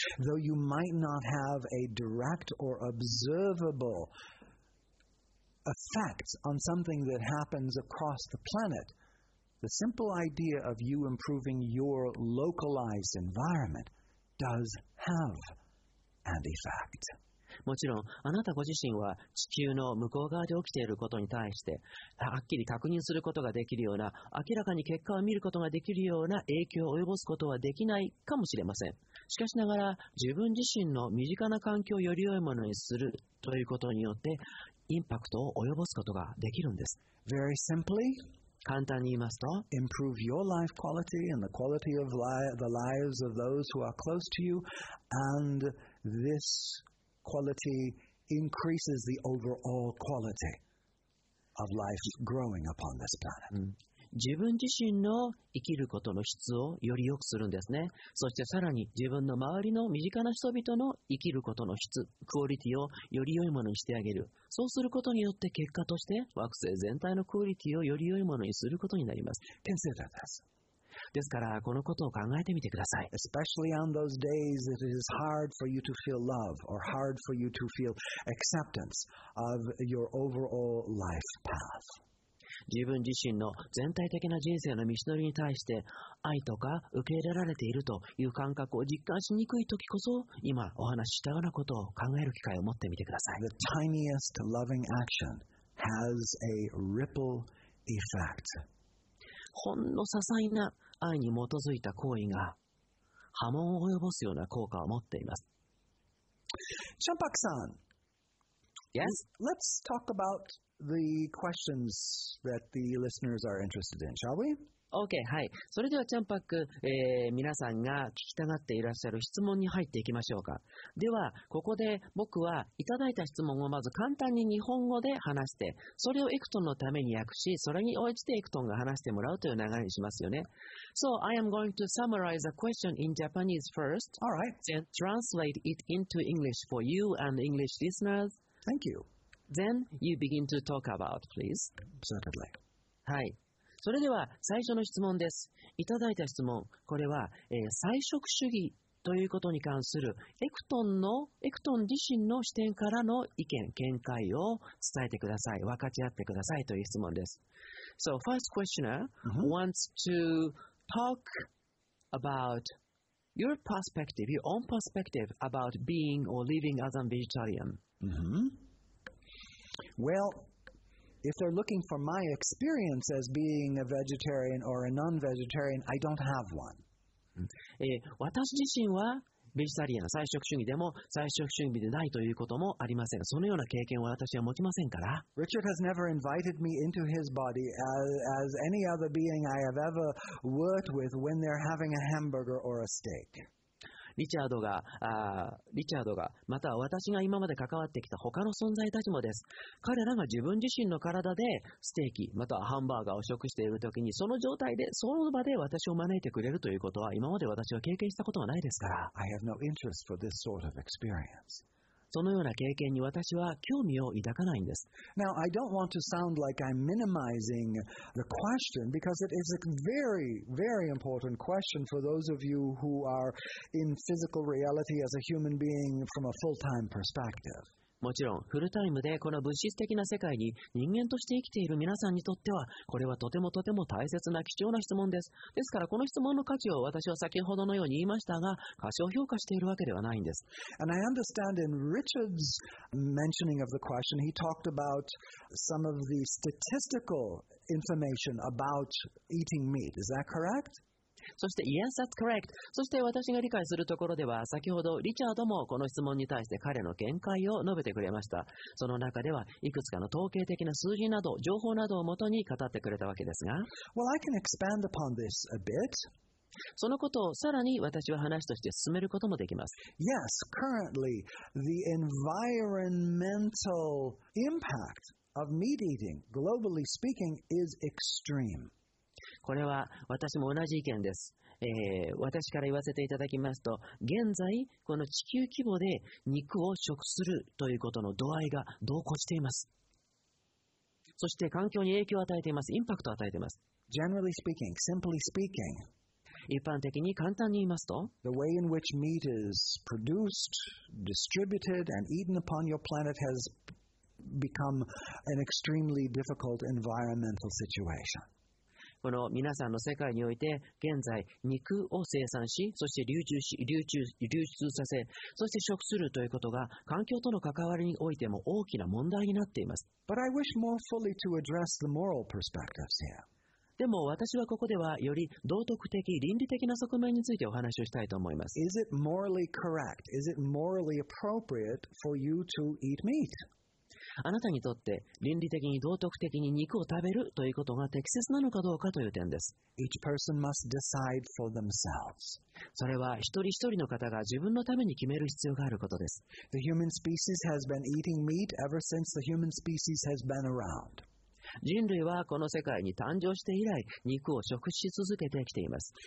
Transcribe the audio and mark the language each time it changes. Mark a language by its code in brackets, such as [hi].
[en] Though you might not have a direct or observable effect on something that happens across the planet,The simple idea of you improving your localized environment does have an effect. [ja] もちろん、あなたご自身は地球の向こう側で起きていることに対してはっきり確認することができるような、明らかに結果を見ることができるような影響を及ぼすことはできないかもしれません。しかしながら、自分自身の身近な環境をより良いものにするということによって、インパクトを及ぼすことができるんです。 [en] Very simply, [ja] 簡単に言いますと、 [en] improve your life quality and the quality of the lives of those who are close to you, and this quality increases the overall quality of life growing upon this planet. [ja] 自分自身の生きることの質をより良くするんですね。そしてさらに自分の周りの身近な人々の生きることの質、クオリティをより良いものにしてあげる。そうすることによって結果として惑星全体のクオリティをより良いものにすることになります。 [en] Consider this. [ja] ですからこのことを考えてみてください。 [en] Especially on those days that it is hard for you to feel love or hard for you to feel acceptance of your overall life path. [ja] 自分自身の全体的な人生の道のりに対して愛とか受け入れられているという感覚を実感しにくい時こそ今お話ししたようなことを考える機会を持ってみてください。 [en] The tiniest loving action has a ripple effect. [ja] ほんの些細な愛に基づいた行為が波紋を及ぼすような効果を持っています。 [en] Champak-san, Yes? Let's talk about the questions that the listeners are interested in, shall we? [ja] OK、はい、それではチャンパック、皆さんが聞きたがっていらっしゃる質問に入っていきましょうか。ではここで僕はいただいた質問をまず簡単に日本語で話して、それをエクトンのために訳し、それに応じてエクトンが話してもらうという流れにしますよね。 [en] So I am going to summarize a question in Japanese first. All right. Then translate it into English for you and English listeners. Thank you. Then you begin to talk about, please. Certainly. [ja] はい、それでは最初の質問です。いただいた質問、これは、菜食主義ということに関するエクトン自身の視点からの意見、見解を伝えてください。分かち合ってくださいという質問です。 [en] So, first questioner、uh-huh. wants to talk about your perspective, your own perspective about being or living as a vegetarian.、 Uh-huh. Well,If they're looking for my experience as being a vegetarian or a non-vegetarian, I don't have one.、 [ja] 私自身はベジタリアン、菜食主義でも菜食主義でないということもありません。そのような経験は私は持ちませんから。 [en] Richard has never invited me into his body as any other being I have ever worked with when they're having a hamburger or a steak. [ja] リチャードが、または私が今まで関わってきた他の存在たちもです。彼らが自分自身の体でステーキ、またはハンバーガーを食しているときに、その状態で、その場で私を招いてくれるということは、今まで私は経験したことはないですから。 [en] I have no interest for this sort of experience. [ja] そのような経験に私は興味を抱かないんです。 [en] Now, I don't want to sound like I'm minimizing the question because it is a very, very important question for those of you who are in physical reality as a human being from a full-time perspective. [ja] もちろん、フルタイムでこの物質的な世界に人間として生きている皆さんにとっては、これはとてもとても大切な貴重な質問です。ですから、この質問の価値を私は先ほどのように言いましたが、過小評価しているわけではないんです。 [en] And I understand in Richard's mentioning of the question, he talked about some of the statistical information about eating meat. Is that correct? [ja] そして、 [en] Yes, that's correct. [ja] そして私が理解するところでは、先ほどリチャードもこの質問に対して彼の見解を述べてくれました。その中では、いくつかの統計的な数字など、情報などをもとに語ってくれたわけですが。 [en] Well, I can expand upon this a bit. [ja] そのことをさらに私は話として進めることもできます。 [en] Yes, currently, the environmental impact of meat eating, globally speaking, is extreme. [ja] これは私も同じ意見です、私から言わせていただきますと、現在この地球規模で肉を食するということの度合いが同行しています。そして環境に影響を与えています。インパクトを与えています。 [en] Generally speaking, simply speaking, [ja] 一般的に簡単に言いますと、 [en] The way in which meat is produced, distributed, and eaten upon your planet has become an extremely difficult environmental situation. [ja] この皆さんの世界において現在肉を生産し、そして流出させ、そして食するということが環境との関わりにおいても大きな問題になっています。 [en] But I wish more fully to address the moral perspectives here. [ja] でも私はここではより道徳的、倫理的な側面についてお話をしたいと思います。 [en] Is it morally correct? Is it morally appropriate for you to eat meat? [ja] あなたにとって倫理的に道徳的に肉を食べるということが適切なのかどうかという点です。 [en] Each person must decide for themselves. [ja] それは一人一人の方が自分のために決める必要があることです。 [en] The human species has been eating meat ever since the human species has been around. [ja] 人類はこの世界に誕生して以来、肉を食し続けてきています。